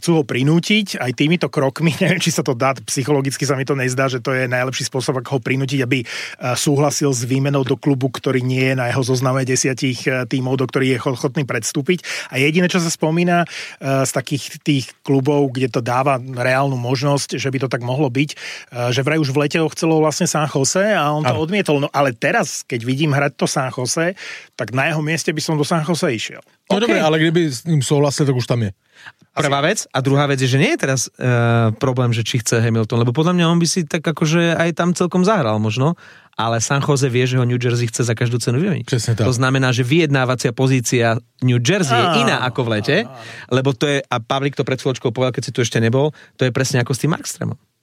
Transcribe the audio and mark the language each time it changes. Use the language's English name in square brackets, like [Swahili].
[Slovak] Chcú ho prinútiť aj týmito krokmi. Neviem, či sa to dá, psychologicky sa mi to nezdá, že to je najlepší spôsob, ako ho prinútiť, aby súhlasil s výmenou do klubu, ktorý nie je na jeho zozname 10 tímov, do ktorých je ochotný predstúpiť. A jediné, čo sa spomína z takých tých klubov, kde to dáva reálnu možnosť, že by to tak mohlo byť, že vraj už v lete ho chcelo vlastne San Jose a on to odmietol. No, ale teraz, keď vidím hrať to San Jose, tak na jeho mieste by som do San Jose išiel. No okay. [Czech] Dobre, ale kdyby s ním souhlasil, tak už tam je. [Slovak] Prvá vec. A druhá vec je, že nie je teraz problém, že či chce Hamilton, lebo podľa mňa on by si tak akože aj tam celkom zahral možno, ale San Jose vie, že ho New Jersey chce za každú cenu vymeniť. Presne tak. To znamená, že vyjednávacia pozícia New Jersey je iná ako v lete, lebo to je, a Pavlík to pred chvíľočkou povedal, keď si tu ešte nebol, to je presne ako s tým Markstremom.